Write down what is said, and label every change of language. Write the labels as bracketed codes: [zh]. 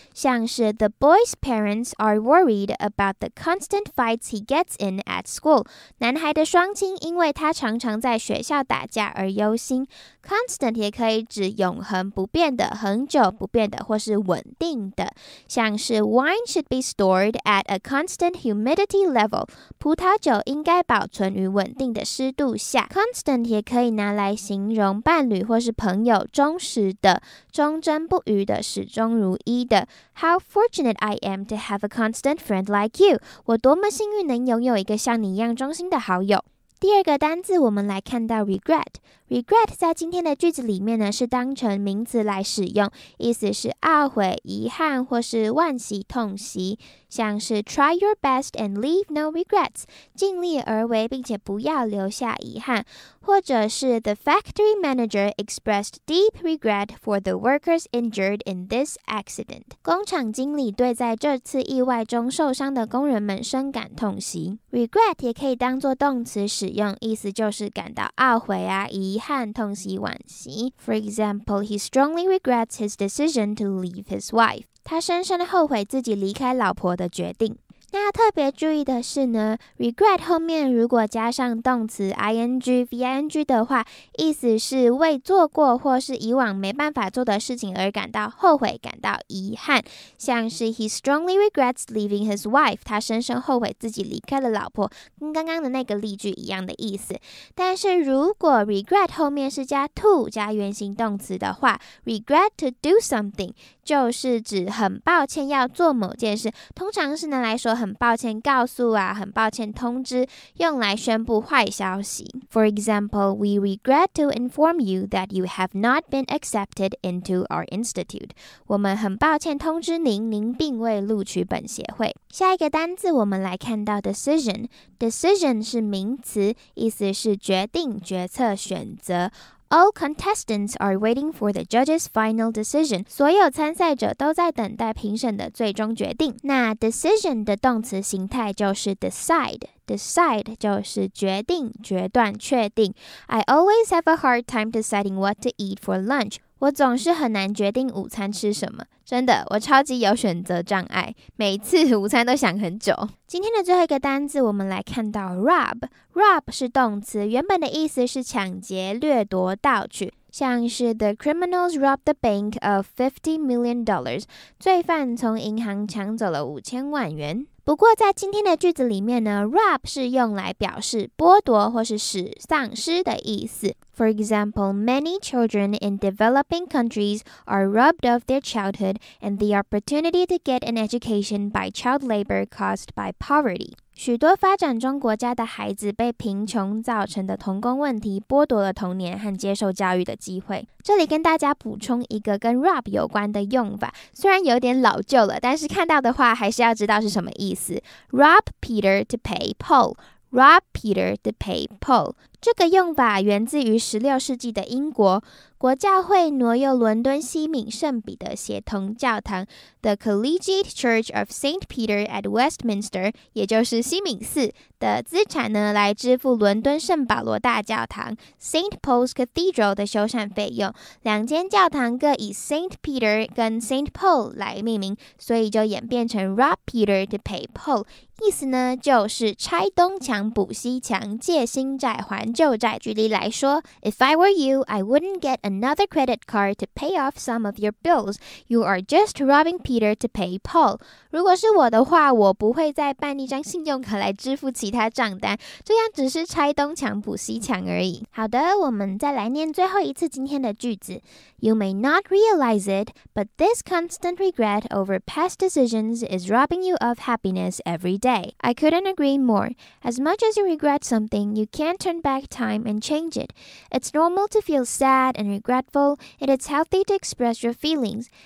[zh] 像是 [en] The boy's parents are worried about the constant fights he gets in at school. [zh] 男孩的双亲因为他常常在学校打架而忧心。 Constant 也可以指永恒不变的、恒久不变的或是稳定的。像是 [en] Wine should be stored at a constant humidity level. [zh] 葡萄酒应该保存于稳定的湿度下。 constant 也可以拿来形容伴侣或是朋友，忠实的、忠贞不渝的、始终如一的。 [en] How fortunate I am to have a constant friend like you. [zh] 我多么幸运能拥有一个像你一样忠心的好友。第二个单字我们来看到 regret。 regret 在今天的句子里面呢是当成名词来使用，意思是懊悔、遗憾或是惋惜、痛惜。像是 [en] try your best and leave no regrets， [zh] 尽力而为并且不要留下遗憾。或者是 [en] the factory manager expressed deep regret for the workers injured in this accident， [zh] 工厂经理对在这次意外中受伤的工人们深感痛惜。 regret 也可以当作动词使用，意思就是感到懊悔啊、遗憾、痛惜、惋惜。 [en] For example, he strongly regrets his decision to leave his wife， [zh] 他深深后悔自己离开老婆的决定。那要特别注意的是呢， regret 后面如果加上动词 ing、 ving 的话，意思是为做过或是以往没办法做的事情而感到后悔、感到遗憾。像是 [en] he strongly regrets leaving his wife， [zh] 他深深后悔自己离开了老婆，跟刚刚的那个例句一样的意思。但是如果 regret 后面是加 to 加原形动词的话， [en] regret to do something [zh] 就是指很抱歉要做某件事，通常是拿来说很抱歉告诉啊，很抱歉通知，用来宣布坏消息。 [en] For example, we regret to inform you that you have not been accepted into our institute. [zh] 我们很抱歉通知您，您并未录取本协会。下一个单字我们来看到 decision。Decision 是名词，意思是决定、决策、选择。 [en] All contestants are waiting for the judge's final decision. [zh] 所有参赛者都在等待评审的最终决定。那 decision 的动词形态就是 decide。 Decide 就是决定、决断、确定。 [en] I always have a hard time deciding what to eat for lunch. [zh] 我总是很难决定午餐吃什么。真的，我超级有选择障碍，每次午餐都想很久。今天的最后一个单字，我们来看到 rob。Rob 是动词，原本的意思是抢劫、掠夺、盗取。像是 [en] The criminals robbed the bank of $50 million. [zh] 罪犯从银行抢走了5000万元。不过在今天的句子里面呢， rob 是用来表示剥夺或是使丧失的意思。 [en] For example, many children in developing countries are robbed of their childhood and the opportunity to get an education by child labor caused by poverty. [zh] 许多发展中国家的孩子被贫穷造成的童工问题剥夺了童年和接受教育的机会。这里跟大家补充一个跟 rob 有关的用法，虽然有点老旧了，但是看到的话还是要知道是什么意思。 [en] Rob Peter to pay Paul。 Rob Peter to pay Paul. [zh] 这个用法源自于16世纪的英国，国教会挪用伦敦西敏圣彼得协同教堂 The Collegiate Church of St. Peter at Westminster, 也就是西敏寺的资产呢，来支付伦敦圣保罗大教堂 St. Paul's Cathedral 的修缮费用。两间教堂各以 St. Peter 跟 St. Paul 来命名，所以就演变成 [en] Rob Peter to pay Paul。 [zh] 意思呢，就是拆东墙补西墙，借新债还旧债。举例来说 [en] If I were you, I wouldn't get another credit card to pay off some of your bills. You are just robbing Peter to pay Paul. [zh] 如果是我的话，我不会再办一张信用卡来支付其他账单，这样只是拆东墙补西墙而已。好的，我们再来念最后一次今天的句子。 [en] You may not realize it, but this constant regret over past decisions is robbing you of happiness every day. I couldn't agree more. As much as you regret something, you can't turn back time and change it. It's normal to feel sad and regretful, and it's healthy to express your feelings.